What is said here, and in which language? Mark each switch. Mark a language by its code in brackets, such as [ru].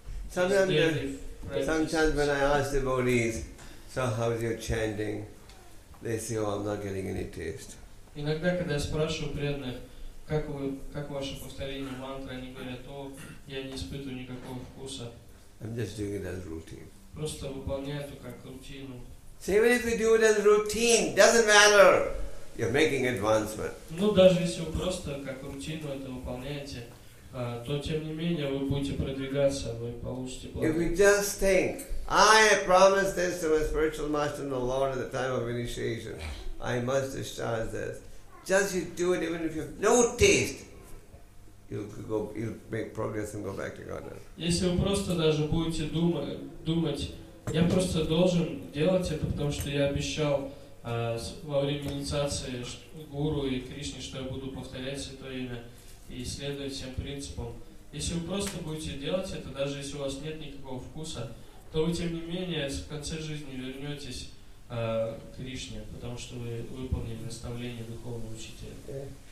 [en] Sometimes when I ask devotees, so how's your chanting? They say, oh, I'm not getting any taste. [ru] Иногда, когда я спрашиваю преданных, как ваше повторение мантры, они говорят, о, я не испытываю никакого вкуса. [en] I'm just doing it as routine. [ru] Просто выполняю это как рутину. [en] So even if you do it as a routine, doesn't matter. You're making advancement. [ru] Ну даже если вы просто как рутину это выполняете, то тем не менее вы будете продвигаться, вы получите благо. [en] If you just think, I have promised this to my spiritual master and the Lord at the time of initiation, I must discharge this. Just you do it, even if you have no taste, you'll make progress and go back to Godhead. [ru] Если вы просто даже будете думать. Я просто должен делать это, потому что я обещал во время инициации Гуру и Кришне, что я буду повторять Святое Имя и следовать всем принципам. Если вы просто будете делать это, даже если у вас нет никакого вкуса, то вы, тем не менее, в конце жизни вернетесь к Кришне, потому что вы выполнили наставление Духовного Учителя.